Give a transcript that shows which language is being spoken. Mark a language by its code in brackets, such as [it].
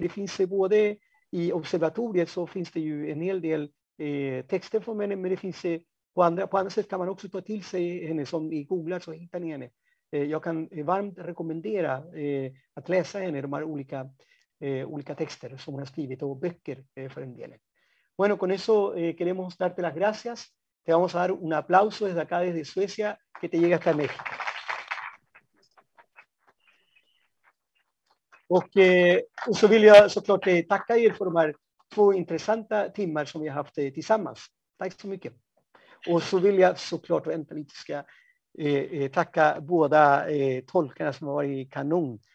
[sv] Det finns både i observatoriet så finns det ju en hel del texter från henne. Men det finns på andra sätt kan man också ta till sig henne. Som ni googlar så hittar ni henne. Jag kan varmt rekommendera att läsa henne de här olika texter som hon har skrivit och böcker för en del. [es] Bueno, con eso queremos darte las gracias. Te vamos a dar un aplauso desde acá, desde Suecia, que te llegue hasta México. [sv] Och så vill jag såklart tacka er för de här två intressanta timmar som vi har haft tillsammans. Tack så mycket. Och så vill jag såklart vänta lite, ska tacka båda tolkarna som har varit kanon.